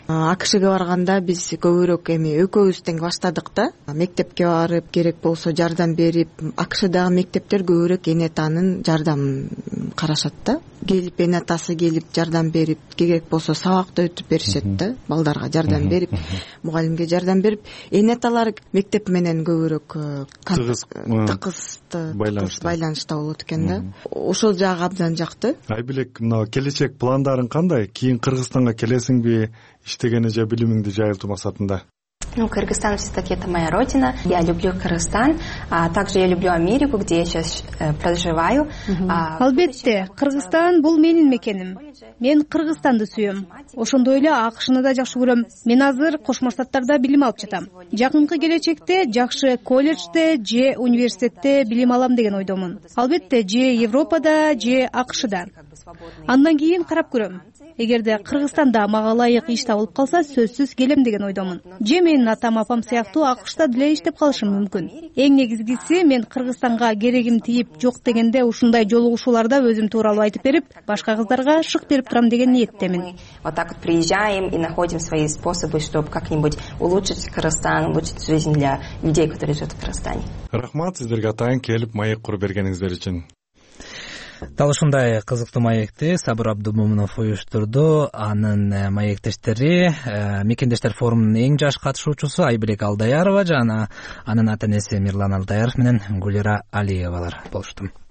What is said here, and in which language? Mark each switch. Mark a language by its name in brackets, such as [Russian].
[Kyrgyz] АКШга барганда биз көбүрөөк эми экөөбүз тең баштадык да, мектепке барып керек болсо жардам берип, АКШдагы мектептер көбүрөөк эне атанын жардамын карашат да, келип эне атасы келип жардам берип, керек болсо сабакты өтүп беришет да балдарга, жардам берип, мугалимге жардам берип, эне аталар мектеп менен көбүрөөк тыгыз байланышта болот экен да. Ошол жагы абдан жакты. Айбилек, мына келечек пландарың кандай? Кийин Кыргызстанга келесиңби, иштегени же билимиңди жайылтуу максатында? [Russian] Ну, Кыргызстан все-таки это моя родина. Я люблю Кыргызстан, а также я люблю Америку, где я сейчас проживаю. [Kyrgyz] Албетте, Кыргызстан бул менин мекеним. Мен Кыргызстанды сүйөм. Ошондой эле АКШны да жакшы көрөм. Мен азыр Кошмо Штаттарда билим алып жатам. Жакынкы келечекте жакшы колледжде же университетте билим алам деген ойдомун. Албетте, же Европада, же АКШда. Андан кийин карап көрөм. Эгерде Кыргызстанда мага ылайык иш табылып калса, сөзсүз келем деген ойдомун. Же менин атам апам сыяктуу АКШта деле иштеп калышым мүмкүн. Эң негизгиси, мен Кыргызстанга керегим тийип жок дегенде ушундай жолугушууларда өзүм тууралуу айтып берип, башка кыздарга шык берип турам деген ниеттемин. [Russian] Вот так вот приезжаем и находим свои способы, чтобы как-нибудь улучшить Кыргызстан, улучшить жизнь для людей, которые живут в Кыргызстане. [Kyrgyz] Рахмат сиздерге атайын келип маек куруп бергениңиздер үчүн. Дал ушундай кызыктуу маекти Сабыр Абдумомунов уюштурду. Анын маектештери мекендештер форумунун эң жаш катышуучусу Айбилек Алдаярова жана анын ата энеси Мирлан Алдаяров менен Гулира Алиевалар болушту.